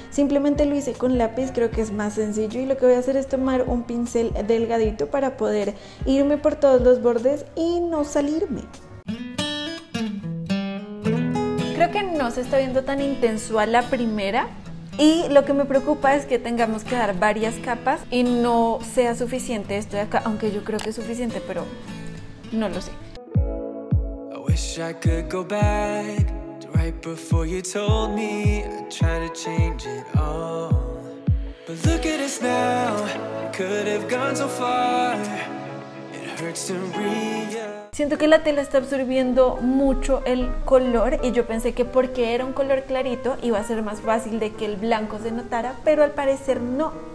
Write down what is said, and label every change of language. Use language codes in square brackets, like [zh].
[es] Simplemente lo hice con lápiz, creo que es más sencillo. Y lo que voy a hacer es tomar un pincel delgadito para poder irme por todos los bordes y no salirme. Creo que no se está viendo tan intenso a la primera. Y lo que me preocupa es que tengamos que dar varias capas y no sea suficiente esto de acá. Aunque yo creo que es suficiente, pero no lo sé. [en] Wish I could go back to right before you told me I'd try to change it all. But look at us now, could have gone so far. It hurts to realize. [es] Siento que la tela está absorbiendo mucho el color y yo pensé que porque era un color clarito iba a ser más fácil de que el blanco se notara, pero al parecer no.